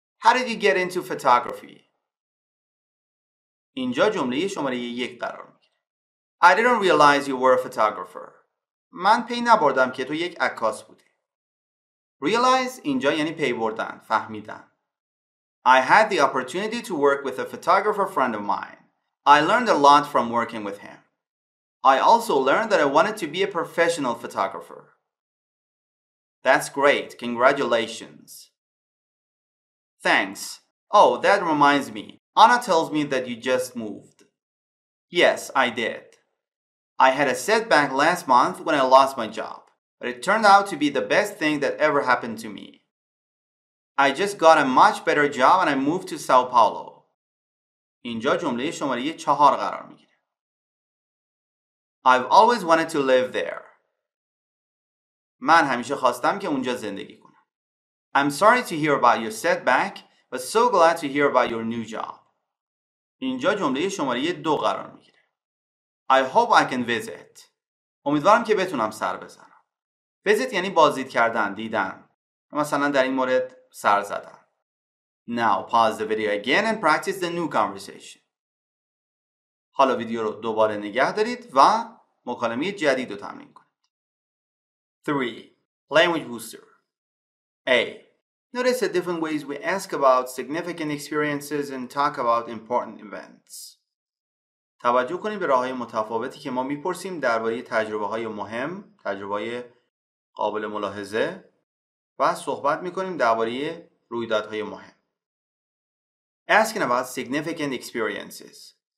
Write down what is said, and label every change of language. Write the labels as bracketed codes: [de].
[en] How did you get into photography? [fa] اینجا جمله شماره 1 قرار میگیره. [en] I didn't realize you were a photographer. [fa] من پی نبردم که تو یک عکاس بودی. Realize اینجا یعنی پی بردن، فهمیدن. [en] I had the opportunity to work with a photographer friend of mine. I learned a lot from working with him. I also learned that I wanted to be a professional photographer. That's great. Congratulations. Thanks. Oh, that reminds me. Anna tells me that you just moved. Yes, I did. I had a setback last month when I lost my job, but it turned out to be the best thing that ever happened to me. I just got a much better job and I moved to Sao Paulo. [fa] اینجا جمله شماره 4 قرار میگیره. [en] I've always wanted to live there. [fa] من همیشه خواستم که اونجا زندگی کنم. [en] I'm sorry to hear about your setback, but so glad to hear about your new job. [fa] اینجا جمله شماره 2 قرار میگیره. [en] I hope I can visit. [fa] امیدوارم که بتونم سر بزنم. Visit یعنی بازدید کردن، دیدن. مثلا در این مورد سر زدن. [en] Now pause the video again and practice the new conversation. [fa] حالا ویدیو رو دوباره نگه دارید و مکالمه جدید رو تمرین کنید. [en] 3. Language booster. A. Notice the different ways we ask about significant experiences and talk about important events. [fa] توجه کنید به راه‌های متفاوتی که ما می‌پرسیم درباره تجربه‌های مهم، تجربه‌های قابل ملاحظه و صحبت می‌کنیم درباره رویدادهای مهم. [en] Asking about significant experiences.